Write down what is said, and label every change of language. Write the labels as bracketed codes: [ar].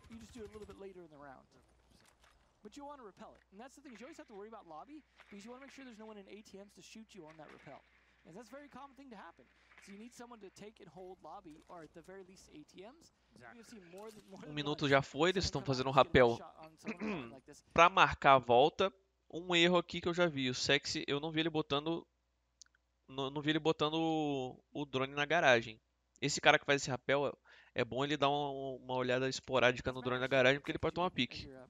[pt] Mas você tem que se preocupar com o lobby, porque você tem que ter alguém em ATMs para te atirar nesse rappel. [en] And that's a very common thing to happen. So you need someone to take and hold lobby, or at the very least ATMs. [pt] Um minuto já foi, eles estão fazendo um rapel pra marcar a volta. Um erro aqui que eu já vi, o Sexy, eu não vi ele botando o drone na garagem. Esse cara que faz esse rapel, é bom ele dar uma olhada esporádica no drone na garagem, porque ele pode tomar pique.